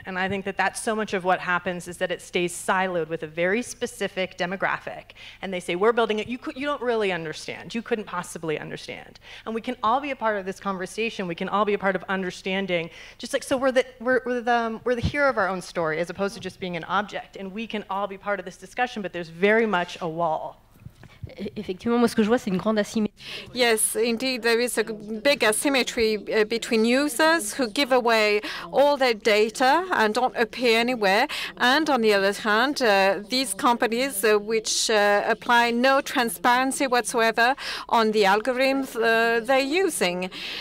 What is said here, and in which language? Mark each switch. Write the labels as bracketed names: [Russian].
[English] And I think that that's so much of what happens is that it stays siloed with a very specific demographic. And they say, we're building it. You don't really understand. You couldn't possibly understand. And we can all be a part of this conversation. We can all be a part of understanding. Just like, so we're the hero of our own story as opposed to just being an object. And we can all be part of this discussion, but there's very much a wall. [French] Effectivement, moi, ce que je vois, c'est une grande asymétrie. [English] Yes, indeed, there is a big asymmetry between users who give away all their data and don't appear anywhere, and on the other hand, these companies which apply no transparency whatsoever on the algorithms they're using.